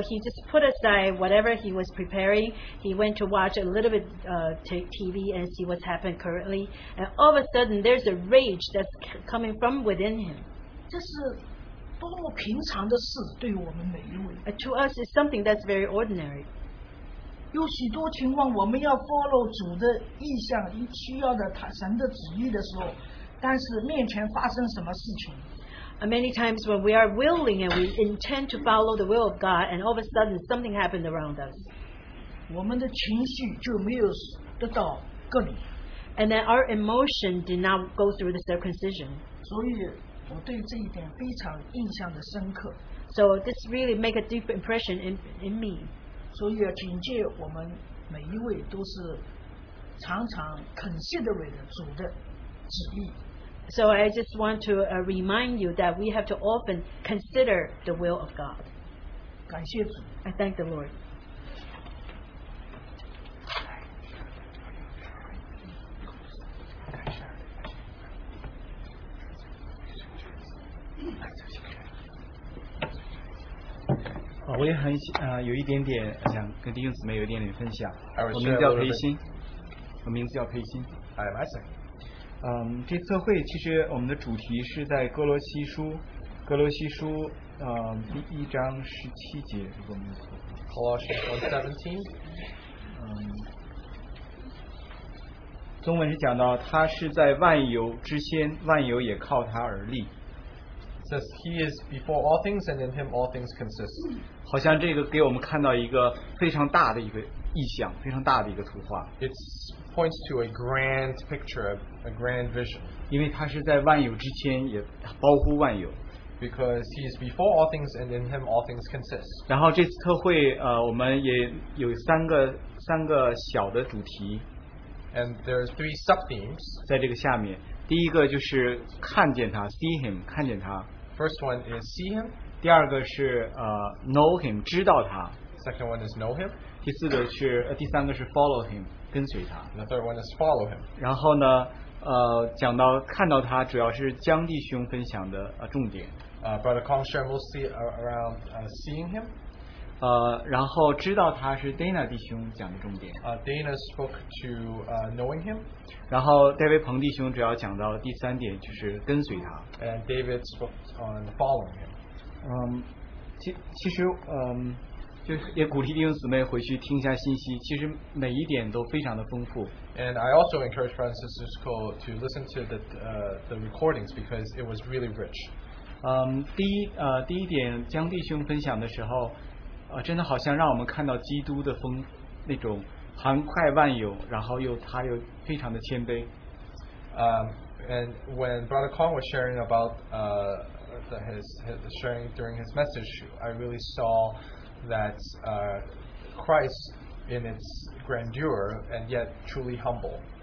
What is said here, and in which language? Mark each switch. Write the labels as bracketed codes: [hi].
[en] he just put aside whatever he was preparing. He went to watch a little bit TV and see what's happened currently. And all of a sudden, there's a rage that's coming from within him. [zh] 这是, 多么平常的事，对于我们每一位。 [en] To us, it's something that's very ordinary. [zh] 有许多情况，我们要 follow 主的意向，需要的他神的旨意的时候，但是面前发生什么事情？ [en] Many times when we are willing and we intend to follow the will of God, and all of a sudden something happened around us. [zh] 我们的情绪就没有得到隔离。 [en] And then our emotion did not go through the circumcision. [zh] 所以我对这一点非常印象的深刻。 [en] So this really make a deep impression in me. [zh] 所以警戒我们每一位都是常常 considering 主的旨意。 [en] So I just want to remind you that we have to often consider the will of God. [zh] 感谢主。 [en] I thank the Lord. [zh] Oh, 我也很有一点点想跟弟兄姊妹有一点点分享。我名字叫裴鑫，我名字叫裴鑫。 [en] I'm Isaac。 [zh] 这次会其实我们的主题是在哥罗西书，第一章十七节，如果没错。 [en] Colossians 1:17。 [zh] 中文是讲到他是在万有之先，万有也靠他而立。 [en] It says he is before all things and in him all things consist. [zh] 好像这个给我们看到一个非常大的一个意象，非常大的一个图画。 [en] It points to a grand picture, a grand vision. [zh] 因为他是在万有之前，也包括万有。 [en] Because he is before all things and in him all things consist. [zh] 然后这次特会，我们也有三个小的主题。 [en] And there are three sub-themes. [zh] 在这个下面。第一个就是看见他 ， [en] see him， [zh] 看见他。 [en] First one is see him。 [zh] 第二个是 [en] know him， [zh] 知道他。 [en] Second one is know him。 [zh] 第四个是第三个是 [en] follow him， [zh] 跟随他。 [en] The third one is follow him。 [zh] 然后呢，讲到看到他，主要是江弟兄分享的重点。 [en] Brother Kong shared mostly around seeing him。 [zh] 然后知道他是 Dana 弟兄讲的重点。 [en] Dana spoke to knowing him。 [zh] 然后 David 彭弟兄主要讲到第三点，就是跟随他。 [en] And David spoke on following him。 [zh] 其实就也鼓励弟兄姊妹回去听一下信息，其实每一点都非常的丰富。 [en] And I also encourage Francis Cisco to listen to the recordings because it was really rich。 [zh] 第一点，江弟兄分享的时候。真的好像让我们看到基督的风那种涵盖万有，然后又他又非常的谦卑。 [en] And when Brother Kong was sharing about his sharing during his message, I really saw that Christ in its grandeur and yet truly humble.